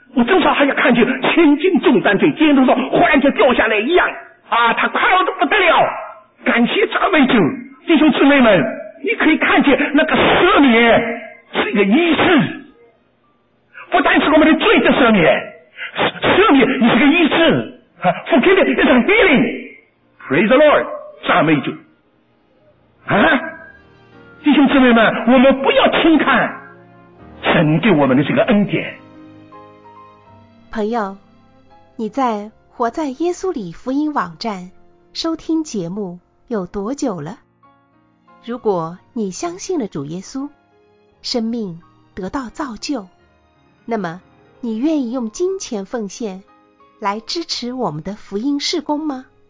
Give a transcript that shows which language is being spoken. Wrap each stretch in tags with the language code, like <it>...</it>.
<zh>我正好还要看见千斤重担在肩头上忽然间掉下来一样啊，他快要得不得了，感谢赞美主。弟兄姊妹们，你可以看见那个赦免是一个医治，不单是我们的罪的赦免，赦免也是个医治、啊、</zh> <en>Forgiving is a healing. Praise the Lord，</en> <zh>赞美主啊！弟兄姊妹们，我们不要轻看神给我们的这个恩典。朋友，你在活在耶稣里福音网站收听节目有多久了？如果你相信了主耶稣，生命得到造就，那么你愿意用金钱奉献来支持我们的福音事工吗？</zh>